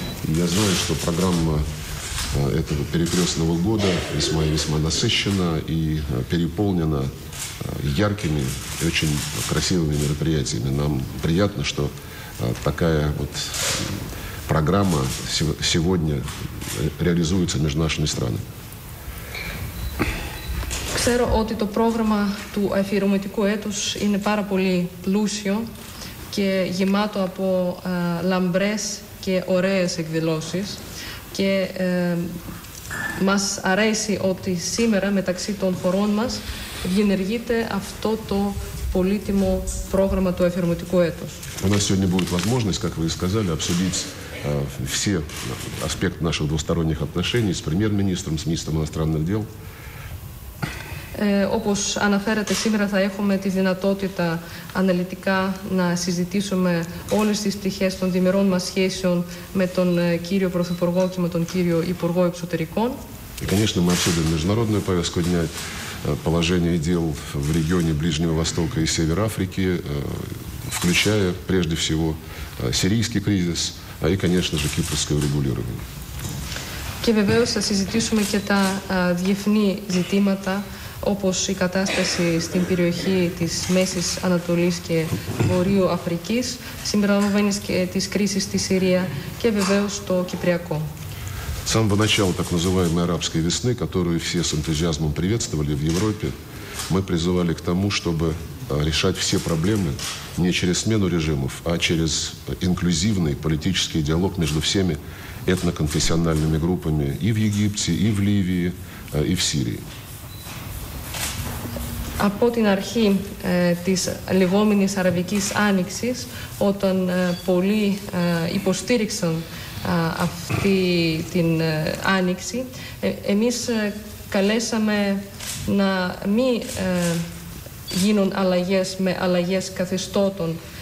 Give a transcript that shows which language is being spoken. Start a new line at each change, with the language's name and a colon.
Russian: Я знаю, что программа этого перекрестного года весьма насыщена и переполнена яркими и очень красивыми мероприятиями. Нам приятно, что такая вот программа сегодня реализуется между нашими странами.
Greek: Ξέρω ότι το πρόγραμμα του αφιερωματικού έτους είναι πάρα πολύ πλούσιο και γεμάτο από λαμπρές και ωραίες εκδηλώσεις και μας αρέσει ότι σήμερα μεταξύ των χωρών μας διενεργείται αυτό το πολύτιμο πρόγραμμα του αφιερωματικού έτους.
Russian: У нас сегодня будет возможность, как вы сказали, обсудить все аспекты наших двусторонних отношений с премьер-министром, с министром иностранных дел.
Greek: Όπως αναφέρατε, σήμερα θα έχουμε τη δυνατότητα αναλυτικά να συζητήσουμε όλες τις πτυχές των διμερών μας σχέσεων με τον κύριο Πρωθυπουργό και με τον κύριο Υπουργό Εξωτερικών.
Russian: И, конечно, мы обсудим международную повестку дня, положение дел в регионе Ближнего Востока и Севера Африки, включая, прежде всего, сирийский кризис, а и, конечно же, кипрское урегулирование.
Greek: Και βεβαίως θα συζητήσουμε και τα διεθνή ζητήματα, όπως η κατάσταση στην περιοχή της Μέσης Ανατολής και Βορείου Αφρικής, συμπεριλαμβάνει και τις κρίσεις στη Συρία και βεβαίως το Κυπριακό.
Russian: С самого начала так называемой арабской весны, которую все с энтузиазмом приветствовали в Европе, мы призывали к тому, чтобы решать все проблемы не через смену режимов, а через инклюзивный политический диалог между всеми этноконфессиональными группами и в Египте, и в Ливии, и в Сирии.
Greek: Από την αρχή της λεγόμενης Αραβικής Άνοιξης, όταν πολλοί υποστήριξαν αυτή την άνοιξη, εμείς καλέσαμε να μην γίνουν αλλαγές με αλλαγές καθεστώτων